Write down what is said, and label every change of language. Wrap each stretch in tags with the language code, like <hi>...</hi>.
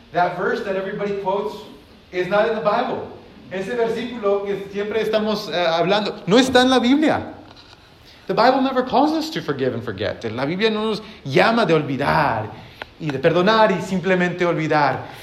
<en>That verse that everybody quotes is not in the Bible.</en> <es>Ese versículo que siempre estamos hablando no está en la Biblia.</es> <en>The Bible never calls us to forgive and forget.</en> <es>La Biblia no nos llama de olvidar y de perdonar y simplemente olvidar.</es>